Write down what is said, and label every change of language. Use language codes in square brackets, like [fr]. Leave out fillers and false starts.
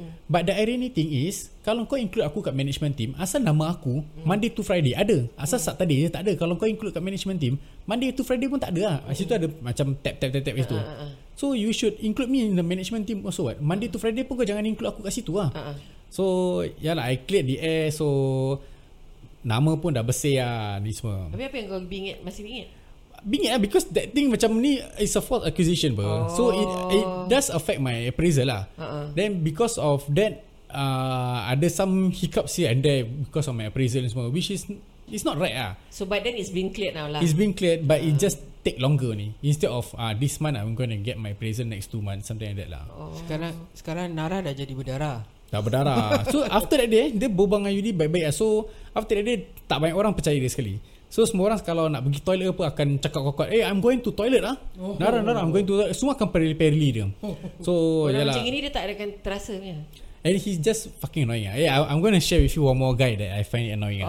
[en] But the irony thing is, [ms] kalau kau include aku kat management team, asal nama aku Monday to Friday ada, asal Saturday je tak ada. Kalau kau include kat management team, Monday to Friday pun tak ada lah. Situ ada macam tap situ. [en] So you should include me in the management team also. [ms] What? Monday to Friday pun kau jangan include aku kat situ lah. So yalah, [en] I cleared the air. [ms] So nama pun dah bersih lah ni semua. Tapi apa yang kau bingit? Masih bingit? Bingit lah, [en] because that thing [ms] macam ni [en] is a false accusation pun. So it does affect my appraisal lah. Then because of that, ada some hiccups here and there because of my appraisal [ms] ni semua, [en] which is it's not right lah. So by then it's been cleared now lah. It's been cleared, but it just take longer ni. Instead of this month, I'm going to get my appraisal next 2 months, something like that lah. [ms] Sekarang Nara dah jadi berdarah. Tak berdarah. [en] So after that day, [ms] dia berbual dengan Yudi baik-baik. [en] So after that day, [ms] tak banyak orang percaya dia sekali. So semua orang kalau nak pergi toilet apa akan cakap kuat-kuat, [en] I'm going to toilet lah. [ms] Nara, [en] I'm going to toilet. [ms] Semua akan perli-perli dia. So yalah, macam ini dia tak akan terasa. [en] And he's just fucking annoying. I'm going to share with you one more guy that I find annoying.